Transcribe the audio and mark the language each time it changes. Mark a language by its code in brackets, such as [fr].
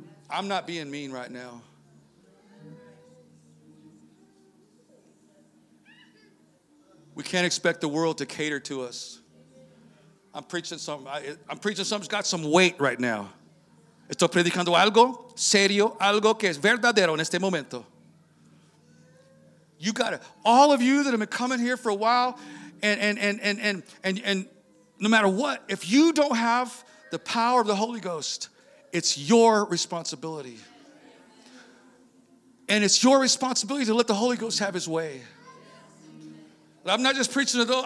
[en] I'm not being mean right now. We can't expect the world to cater to us. I'm preaching something that's got some weight right now. [es] Estoy predicando algo serio, algo que es verdadero en este momento. [en] You got it. All of you that have been coming here for a while, and no matter what, if you don't have the power of the Holy Ghost, it's your responsibility. And it's your responsibility to let the Holy Ghost have his way. I'm not just preaching to those.